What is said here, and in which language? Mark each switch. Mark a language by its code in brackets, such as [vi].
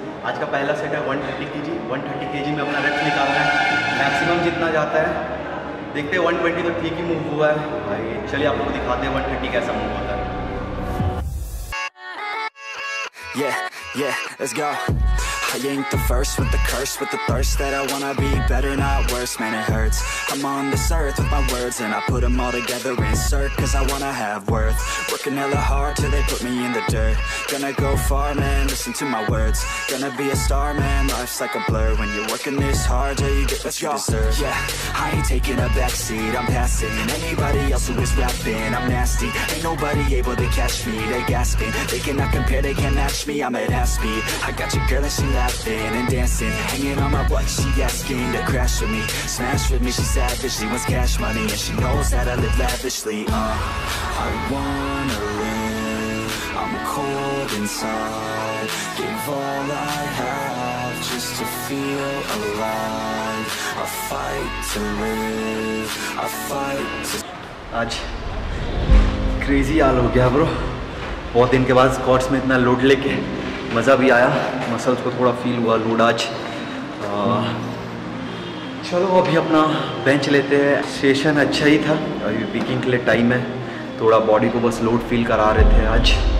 [hi] आज का पहला सेट है 130 kg में अपना रेप्स निकालना है, मैक्सिमम जितना जाता है देखते हैं। 120 तो ठीक ही मूव हुआ है भाई, चलिए आप लोग दिखाते हैं 130 कैसा मूव होता है। [en] Yeah, I ain't the first with the curse, with the thirst that I wanna be better, not worse. Man, it hurts. I'm on this earth with my words, and I put them all together, insert, 'cause I wanna have worth. Working hella hard till they put me in the dirt. Gonna go far, man. Listen to my words. Gonna be a star, man. Life's like a blur when you're working this hard till you get what you deserve. Yeah, I ain't taking a backseat. I'm passing anybody else who is rapping. I'm nasty. Ain't nobody able to catch me. They gasping. They cannot compare. They can't match me. I'm at half speed. I got your girl and she. Laughing and dancing, hanging on my butt, she asking to crash with me, smash with me, she's savage, she wants cash money, and she knows that I live lavishly, I wanna live, I'm cold inside, give all I have, just to feel alive, I fight to live, I fight to... [hi] आज crazy हाल हो गया bro, बहुत दिन के बाद squats में इतना load लेके, मज़ा भी आया, मसल्स को थोड़ा फील हुआ लोड आज। चलो अभी अपना बेंच लेते हैं। सेशन अच्छा ही था, अभी पीकिंग के लिए टाइम है, थोड़ा बॉडी को बस लोड फील करा रहे थे आज।